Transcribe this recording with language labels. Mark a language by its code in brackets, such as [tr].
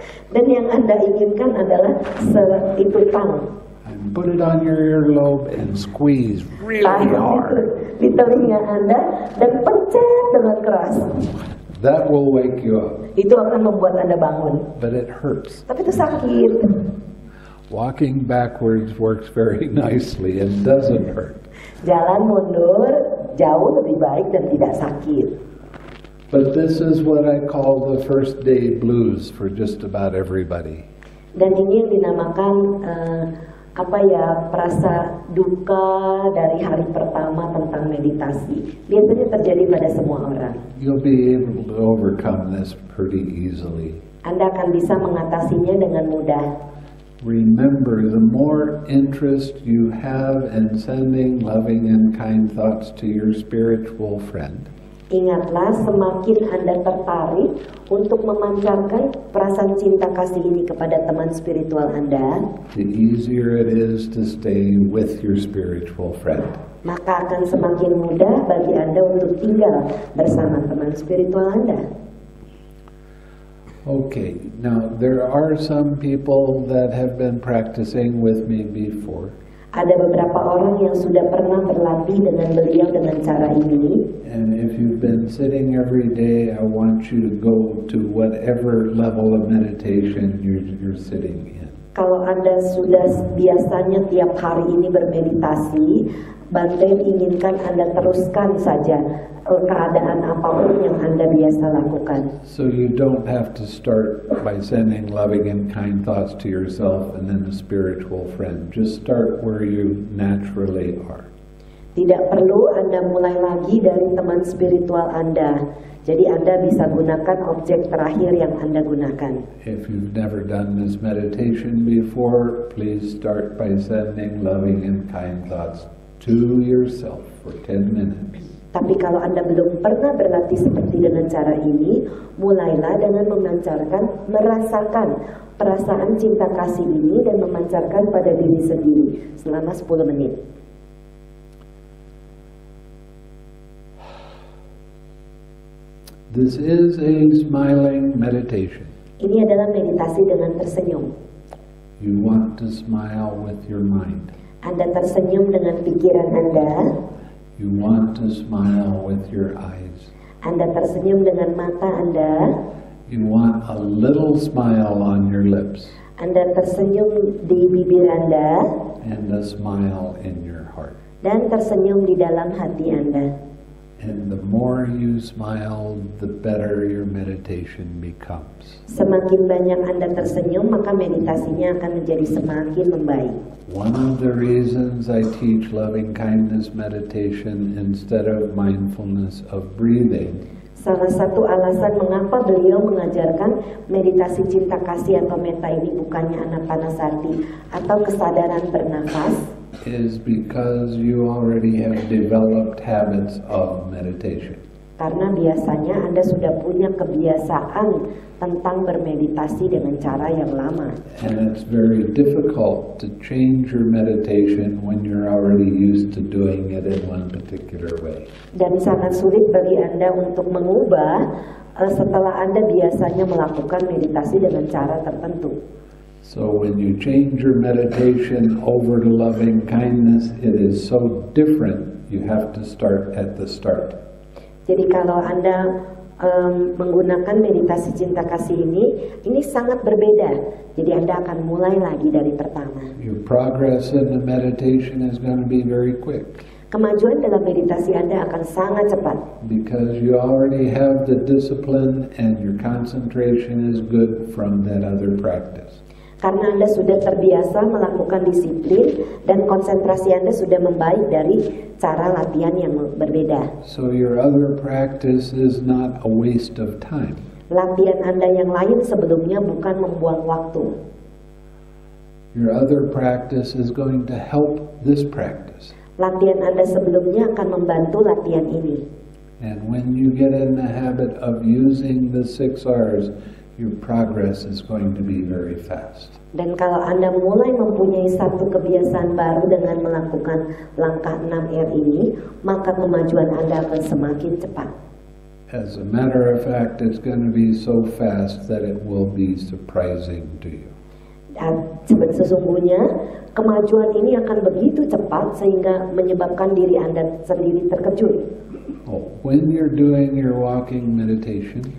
[id] Dan yang Anda inginkan adalah setitupang. [en] Put it on your earlobe and squeeze really hard. [id] Di telinga Anda dan pencet dengan keras. [en] That will wake you up. [id] Itu akan membuat Anda bangun. [en] But it hurts. [id] Tapi itu sakit. [en] Walking backwards works very nicely and doesn't hurt. [id] Jalan mundur jauh lebih baik dan tidak sakit. [en] But this is what I call the first day blues for just about everybody. [id] Dan ini yang dinamakan apa ya, perasa duka dari hari pertama tentang meditasi. Biasanya terjadi pada semua orang. [en] You'll be able to overcome this pretty easily. [id] Anda akan bisa mengatasinya dengan mudah. [en] Remember, the more interest you have in sending loving and kind thoughts to your spiritual friend. [id] Ingatlah, semakin Anda tertarik untuk memancarkan perasaan cinta kasih ini kepada teman spiritual Anda, [en] the easier it is to stay with your spiritual friend. [id] Maka akan semakin mudah bagi Anda untuk tinggal bersama teman spiritual Anda. [en] Okay, now there are some people that have been practicing with me before. [id] Ada beberapa orang yang sudah pernah berlatih dengan beliau dengan cara ini. [en] And if you've been sitting every day, I want you to go to whatever level of meditation you're sitting in. [id] Kalau Anda sudah biasanya tiap hari ini bermeditasi, Banten inginkan Anda teruskan saja keadaan apapun yang Anda biasa lakukan. [en] So you don't have to start by sending loving and kind thoughts to yourself and then a spiritual friend. Just start where you naturally are. [id] Tidak perlu Anda mulai lagi dari teman spiritual Anda. Jadi Anda bisa gunakan objek terakhir yang Anda gunakan. [en] If you've never done this meditation before, please start by sending loving and kind thoughts to yourself for 10 minutes. [id] Tapi kalau Anda belum pernah berlatih seperti dengan cara ini, mulailah dengan memancarkan, merasakan perasaan cinta kasih ini dan memancarkan pada diri sendiri selama 10 menit. [en] This is a smiling meditation. [id] Ini adalah meditasi dengan tersenyum. [en] You want to smile with your mind. [id] Anda tersenyum dengan pikiran Anda. [en] You want to smile with your eyes. [id] Anda tersenyum dengan mata Anda. [en] You want a little smile on your lips. [id] Anda tersenyum di bibir Anda. [en] And a smile in your heart. [id] Dan tersenyum di dalam hati Anda. [en] And the more you smile, the better your meditation becomes. [id] Semakin banyak Anda tersenyum, maka meditasinya akan menjadi semakin membaik. [en] One of the reasons I teach loving kindness meditation instead of mindfulness of breathing. [id] Salah satu alasan mengapa beliau mengajarkan meditasi cinta kasih atau metta ini bukannya anapanasati atau kesadaran bernapas. [en] Is because you already have developed habits of meditation. [id] Karena biasanya Anda sudah punya kebiasaan tentang bermeditasi dengan cara yang lama. [en] And it's very difficult to change your meditation when you're already used to doing it in one particular way. [id] Dan sangat sulit bagi Anda untuk mengubah setelah Anda biasanya melakukan meditasi dengan cara tertentu. [en] So when you change your meditation over to loving kindness, it is so different. You have to start at the start. [id] Jadi kalau Anda menggunakan meditasi cinta kasih ini sangat berbeda. Jadi Anda akan mulai lagi dari pertama. [en] Your progress in the meditation is going to be very quick. [id] Kemajuan dalam meditasi Anda akan sangat cepat. [en] Because you already have the discipline and your concentration is good from that other practice. [id] Karena Anda sudah terbiasa melakukan disiplin dan konsentrasi Anda sudah membaik dari cara latihan yang berbeda. [en] So your other practice is not a waste of time. [id] Latihan Anda yang lain sebelumnya bukan membuang waktu. [en] Your other practice is going to help this practice. [id] Latihan Anda sebelumnya akan membantu latihan ini. [en] And when you get in the habit of using the six R's, your progress is going to be very fast. [id] Dan kalau Anda mulai mempunyai satu kebiasaan baru dengan melakukan langkah 6 R ini, maka kemajuan Anda akan semakin cepat. [en] as a matter of fact, it's going to be so fast that it will be surprising to you. [id] Dan sesungguhnya kemajuan ini akan begitu cepat sehingga menyebabkan diri Anda sendiri terkejut. [en] Oh, when you're doing your walking meditation,